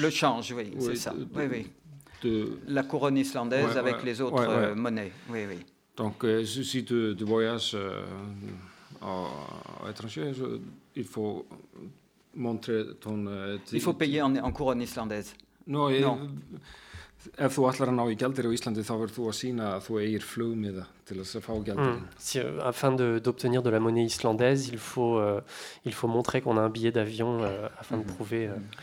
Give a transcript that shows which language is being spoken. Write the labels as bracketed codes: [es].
[fr] Le change, oui, c'est ça. Oui. De... La couronne islandaise avec les autres monnaies. Oui. Donc, si tu voyages à l'étranger, il faut montrer ton... Il faut payer en couronne islandaise. [is] Non, Ef þú ætlar að ná í gjaldir á Íslandi, þá verður þú að sýna að þú eigir flugmiða til að fá gjaldirinn. [fr] Afin d'obtenir de la monnaie islandaise, il faut montrer qu'on a un billet d'avion afin de prouver...